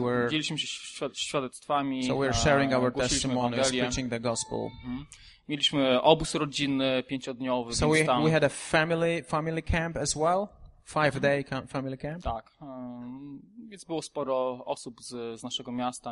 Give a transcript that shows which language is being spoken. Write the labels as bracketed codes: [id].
[pl] Dzieliliśmy się świadectwami, głosiliśmy Ewangelię. Mieliśmy obóz rodzinny 5-dniowy. [en] So we had a family camp as well, 5-day family camp. [pl] Tak, więc było sporo osób z naszego miasta.